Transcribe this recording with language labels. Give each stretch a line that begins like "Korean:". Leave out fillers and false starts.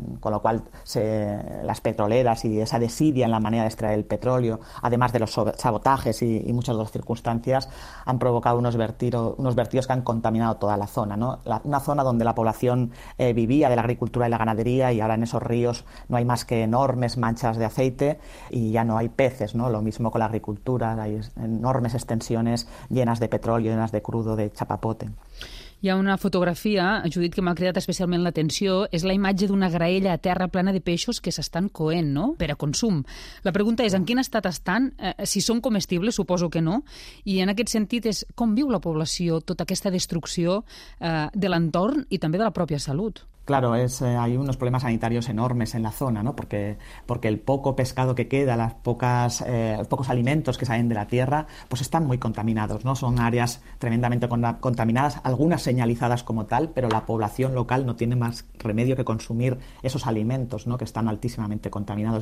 Spanish: Con lo cual, las petroleras y esa desidia en la manera de extraer el petróleo, además de los sabotajes y muchas otras circunstancias, han provocado unos vertidos que han contaminado toda la zona, ¿no? Una zona donde la población vivía de la agricultura y la ganadería, y ahora en esos ríos no hay más que enormes manchas de aceite y ya no hay peces, ¿no? Lo mismo con la agricultura, hay enormes extensiones llenas de petróleo, llenas de crudo, de chapapote.
Catalan: Hi ha una fotografia, Judit, que m'ha cridat especialment l'atenció, és la imatge d'una graella a terra plena de peixos que s'estan coent, no?, per a consum. La pregunta és, en quin estat estan? Si són comestibles, suposo que no. I en aquest sentit és, com viu la població tota aquesta destrucció de l'entorn i també de la pròpia salut?
Spanish: Claro, hay unos problemas sanitarios enormes en la zona, ¿no? Porque el poco pescado que queda, los pocos alimentos que salen de la tierra, pues están muy contaminados, ¿no? Son áreas tremendamente contaminadas, algunas señalizadas como tal, pero la población local no tiene más remedio que consumir esos alimentos, ¿no? Que están altísimamente contaminados.